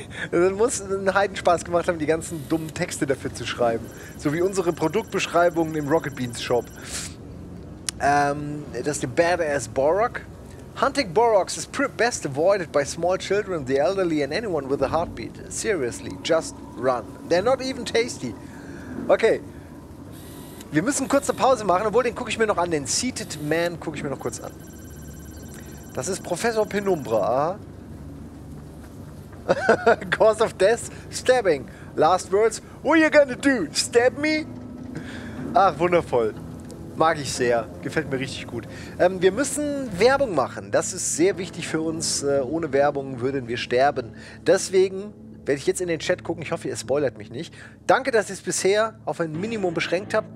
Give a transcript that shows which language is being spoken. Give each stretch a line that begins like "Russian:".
German: Das muss einen Heidenspaß gemacht haben, die ganzen dummen Texte dafür zu schreiben. So wie unsere Produktbeschreibungen im Rocket Beans Shop. Das ist der Badass Borok.
English: Hunting Boroks is best avoided by small children, the elderly and anyone with a heartbeat. Seriously, just run. They're not even tasty.
German: Okay, wir müssen kurz eine Pause machen, obwohl den gucke ich mir noch an, den Seated Man gucke ich mir noch kurz an. Das ist Professor Penumbra.
English: Cause of death, stabbing. Last words, what are you gonna do, stab me?
German: Ach, wundervoll. Mag ich sehr, gefällt mir richtig gut. Wir müssen Werbung machen, das ist sehr wichtig für uns. Ohne Werbung würden wir sterben. Deswegen... Werde ich jetzt in den Chat gucken. Ich hoffe, ihr spoilert mich nicht. Danke, dass ihr es bisher auf ein Minimum beschränkt habt.